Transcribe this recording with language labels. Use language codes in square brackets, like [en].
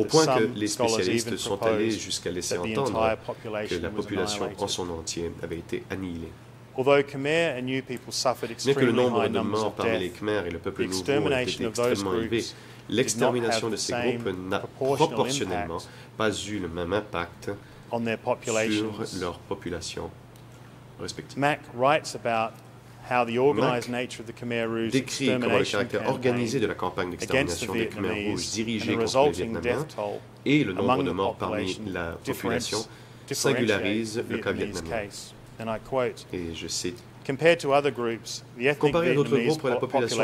[fr] Au point que les spécialistes sont allés jusqu'à laisser entendre que la population en son entier avait été annihilée. [en] Although Khmer and new people suffered extremely [fr] que le nombre de morts [en] of death, [fr] parmi les Khmer et le peuple nouveau était extrêmement élevé, l'extermination de ces groupes n'a proportionnellement pas eu le même impact [en] on their [fr] sur leurs populations respectives. [en] Mac writes about how the organized nature of the Khmer Rouge [fr] décrit comment le caractère organisé de la campagne d'extermination des Khmer Rouge dirigée contre les Vietnamiens et le nombre de morts parmi la population singularise le cas vietnamien. [en] And I quote, [fr] et je cite, [en] compared to other groups, the ethnic [fr] comparé à d'autres groupes, la population